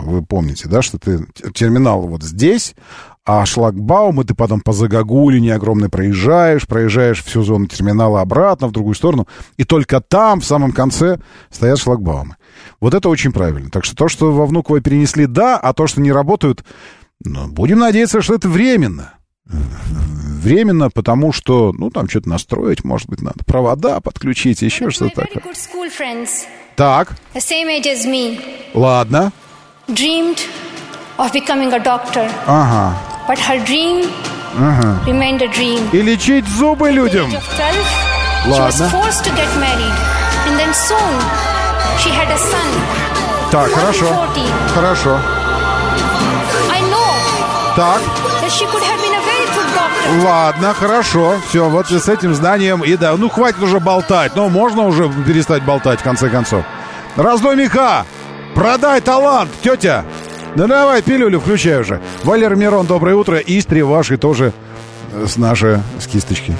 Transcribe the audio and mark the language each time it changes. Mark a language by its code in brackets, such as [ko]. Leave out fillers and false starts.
[ru] Вы помните, да, что ты терминал вот здесь... А шлагбаумы ты потом по загогулине огромной проезжаешь всю зону терминала обратно, в другую сторону, и только там, в самом конце, стоят шлагбаумы. Вот это очень правильно. Так что то, что во Внуково перенесли, да, а то, что не работают, будем надеяться, что это временно. Временно, потому что, там что-то настроить, может быть, надо провода подключить, еще что-то такое. Так. [en] The same age as me. [ru] Ладно. [en] dreamed of becoming a doctor. [ru] Ага. [en] But her dream remained a dream. [ru] И лечить зубы людям. Ладно. [en] She was forced to get married, and then soon she had a son. [ru] Так, хорошо. Хорошо. [en] I know. [ru] Так. [en] That she could have been a very good doctor. [ru] Ладно, хорошо. Все, вот с этим знанием и да, ну хватит уже болтать, но можно уже перестать болтать в конце концов. Раздой меха, продай талант, тетя. Ну давай, пилюлю, включай уже. Валер Мирон, доброе утро. Истри ваши тоже с нашей, с кисточки.